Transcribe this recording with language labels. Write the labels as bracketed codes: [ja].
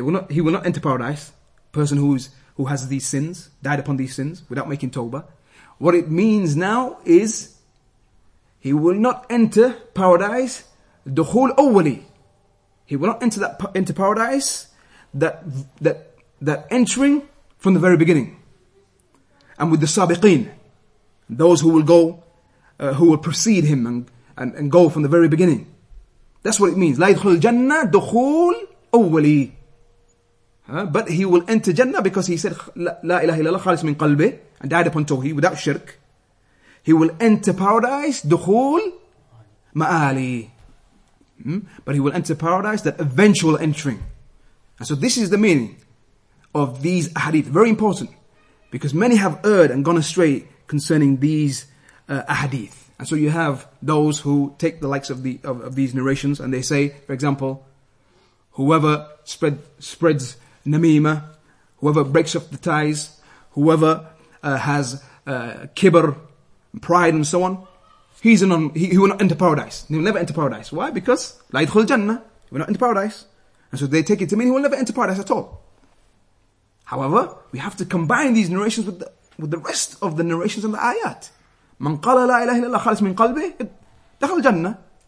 [en] he will not enter paradise, person who has these sins, died upon these sins without making tawbah, what it means now is he will not enter paradise [ar] دخول أولي, [en] he will not enter that into paradise that entering from the very beginning and with the سابقين, those who will go who will precede him and go from the very beginning. That's what it means, [ar] لا يدخل الجنة دخول أولي. [en] But he will enter Jannah because he said [ar] لا إله إلا الله خالص من قلبه [en] and died upon توحيد without shirk. He will enter paradise [ar] دخول مآلي, [en] but he will enter paradise, that eventual entering. And so this is the meaning of these ahadith, very important, because many have erred and gone astray concerning these ahadith. And so you have those who take the likes of these narrations and they say, for example, whoever spreads namima, whoever breaks off the ties, whoever has kibr, pride and so on, he will not enter paradise. He will never enter paradise. Why? Because [ar] لا يدخل الجنة, [en] he will not enter paradise. And so they take it to mean he will never enter paradise at all. However, we have to combine these narrations with the rest of the narrations and the ayat. [ar] من قال لا إله إلا الله خالص من قلبه دخل الجنة.